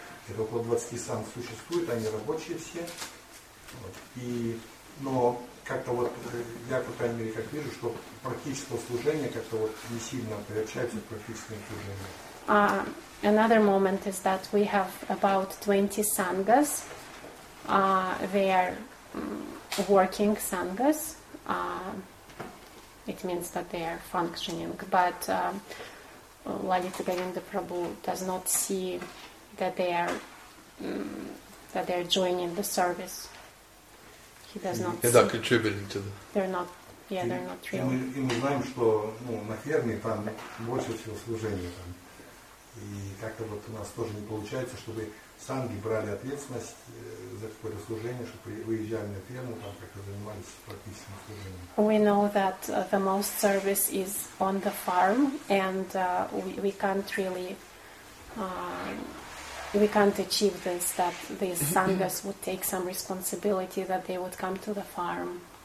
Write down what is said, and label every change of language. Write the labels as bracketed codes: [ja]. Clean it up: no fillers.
[ru] Это около 20 сан существует, они рабочие все. Вот. И, но как-то вот я, по крайней мере, как вижу, что практическое служение как-то вот не сильно приобщается к практическому служению. [en] Another moment is that we have about 20 sanghas. They are working sanghas. It means that they are functioning. But Lalita Govinda Prabhu does not see that they are joining the service. He does not. They're not contributing to them. They're not real. [ru] И мы знаем, что на ферме там больше всего служения там, и как-то вот у нас тоже не получается, чтобы санги брали ответственность за какое-то служение, чтобы выезжали на ферму там как-то занимались практическим служением. [en] We know that the most service is on the farm, and we can't really. We can't achieve this, that these sanghas would take some responsibility, that they would come to the farm.